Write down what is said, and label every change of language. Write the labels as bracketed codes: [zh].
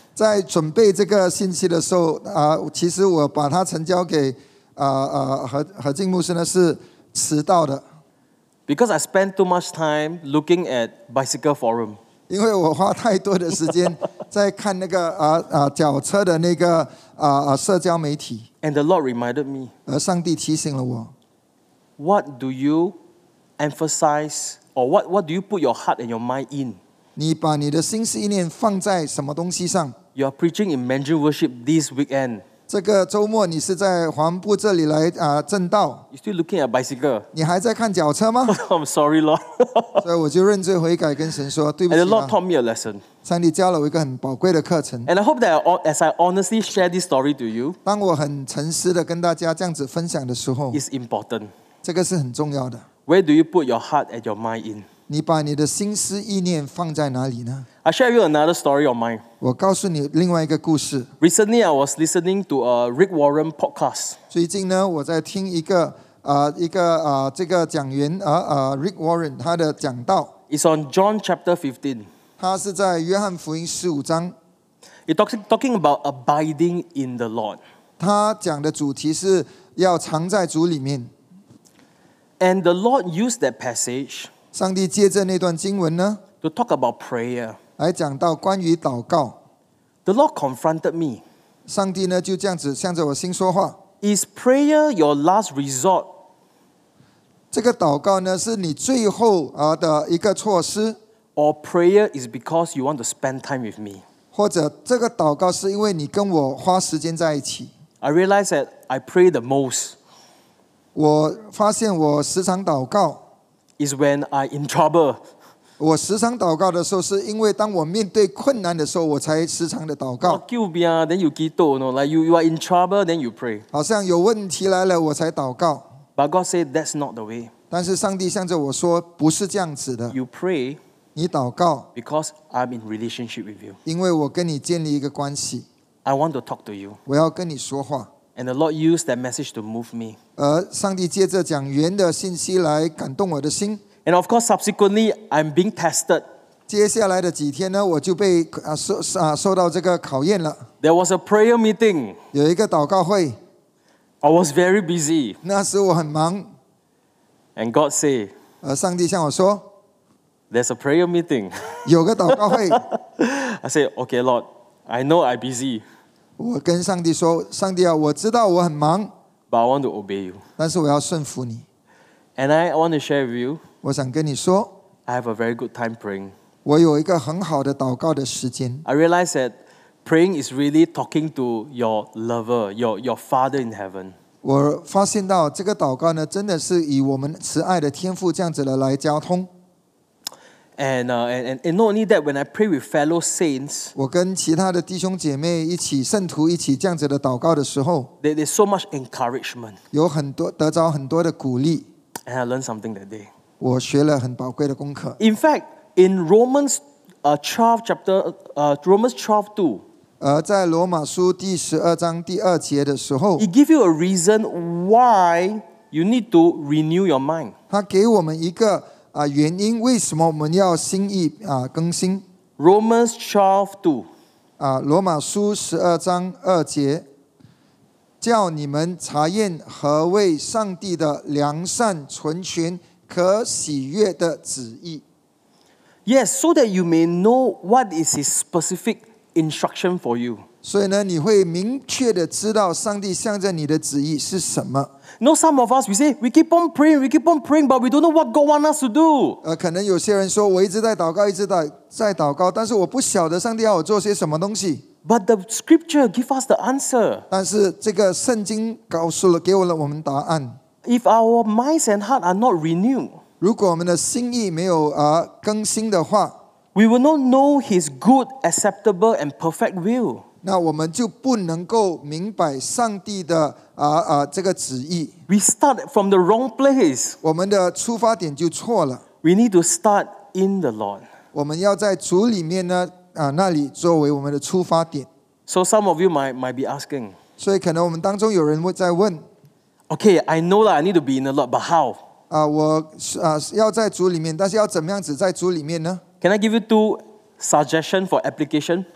[zh] 在准备这个信息的时候其实我把它呈交给何静牧师呢是迟到的。 [en] Because I spent too much time looking at bicycle forum。 [zh] 因为我花太多的时间在看那个脚车的那个社交媒体 [en] ，and the Lord reminded me， [zh] 而上帝提醒了我 [en] ，What do you emphasize or what do you put your heart and your mind in？ [zh] 你把你的心思意念放在什么东西上 [en] ？You are preaching in Mandarin worship this weekend。 [zh] 这个周末你是在黄埔这里来正道。 [en] You still looking at bicycle? [zh] 你还在看脚车吗 [en] ？I'm sorry, Lord. [zh] 所以我就认罪悔改，跟神说对不起。 [en] And the Lord taught me a lesson. [zh] 上帝教了我一个很宝贵的课程。 [en] And I hope that as I honestly share this story to you, [zh] 当我很诚实的跟大家这样子分享的时候 [en] ，is important. [zh] 这个是很重要的。 [en] Where do you put your heart and your mind in? [zh] 你把你的心思意念放在哪里呢？ [en] I share you another story of mine. [zh] 我告诉你另外一个故事。 [en] Recently, I was listening to a Rick Warren podcast. [zh] 最近呢，我在听一个这个讲员Rick Warren 他的讲道。 [en] It's on John chapter 15. [zh] 他是在约翰福音十五章。 [en] It's talking about abiding in the Lord. [zh] 他讲的主题是要藏在主里面。 [en] And the Lord used that passage. [zh] 上帝借着那段经文呢。 [en] To talk about prayer, [zh] 来讲到关于祷告。 [en] The Lord confronted me. [zh] 上帝呢就这样子向着我心说话。 [en] Is prayer your last resort? [zh] 这个祷告呢是你最后的一个措施。 [en] Or prayer is because you want to spend time with me. [zh] 或者这个祷告是因为你跟我花时间在一起。 [en] I realize that I pray the most. [zh] 我发现我时常祷告。 [en] Is when I'm in trouble. [zh] 我时常祷告的时候，是因为当我面对困难的时候，我才时常的祷告。 [en] Then you get down, like you are in trouble, then you pray. [zh] 好像有问题来了，我才祷告。 [en] But God said that's not the way. [zh] 但是上帝向着我说，不是这样子的。 [en] You pray, [zh] 你祷告 [en] ，because I'm in relationship with you. [zh] 因为我跟你建立一个关系。 [en] I want to talk to you. [zh] 我要跟你说话。 [en] And the Lord used that message to move me. [zh] 而上帝借着讲员的信息来感动我的心。 [en] And of course, subsequently, I'm being tested. [zh] 接下来的几天呢，我就被受到这个考验了。 [en] There was a prayer meeting. [zh] 有一个祷告会。 [en] I was very busy. [zh] 那时我很忙。 [en] And God say, [zh] 上帝向我说 [en] ，There's a prayer meeting. [zh] 有个祷告会。 [en] I say, Okay, Lord, I know I'm busy. [zh] 我跟上帝说，上帝啊，我知道我很忙。 [en] But I want to obey you. [zh] 但是我要顺服你。 [en] And I want to share with you. [zh] 我想跟你说 [en] I have a very good time praying. [zh] 我有一个很好的祷告的时间。 [en] I realize that praying is really talking to your lover, your Father in heaven. [zh] 我发现到这个祷告呢，真的是以我们慈爱的天父这样子的来交通。 [en] And not only that, when I pray with fellow saints, [zh] 我跟其他的弟兄姐妹一起，圣徒一起这样子的祷告的时候 [en] there's so much encouragement. [zh] 有很多得着很多的鼓励。 [en] And I learned something that day. [zh] 我学了很宝贵的功课。 [en] In fact, in Romans 12 chapter, Romans 12 2, [zh] 在罗马书第十二章第二节的时候 [en] it gives you a reason why you need to renew your mind. [zh] 它给我们一个原因，为什么我们要心意更新。 [en] Romans 12 2, [zh] 罗马书十二章二节。叫你们查验何为上帝的良善、纯全、可喜悦的旨意。 [en] Yes, so that you may know what is His specific instruction for you. [zh] 所以呢，你会明确的知道上帝向着你的旨意是什么。 [en] No, some of us we say we keep on praying, we keep on praying, but we don't know what God wants us to do. [zh] 可能有些人说我一直在祷告，一直在祷告，但是我不晓得上帝要我做些什么东西。 [en] But the scripture gives us the answer. [zh] 但是这个圣经告诉了，给了我们答案。 [en] If our minds and heart are not renewed, [zh] 如果我们的心意没有更新的话 [en] we will not know His good, acceptable, and perfect will. [zh] 那我们就不能够明白上帝的这个旨意。 [en] We start from the wrong place. [zh] 我们的出发点就错了。 [en] We need to start in the Lord. [zh] 我们要在主里面呢。那里作为我们的出发点。 [en] So some of you might be asking. [zh] 所以可能我们当中有人会在问。 [en] Okay, I know that I need to be in the Lord, but how? [zh] 我要在主里面，但是要怎么样子在主里面呢 [en] ？Can I give you two suggestion for application?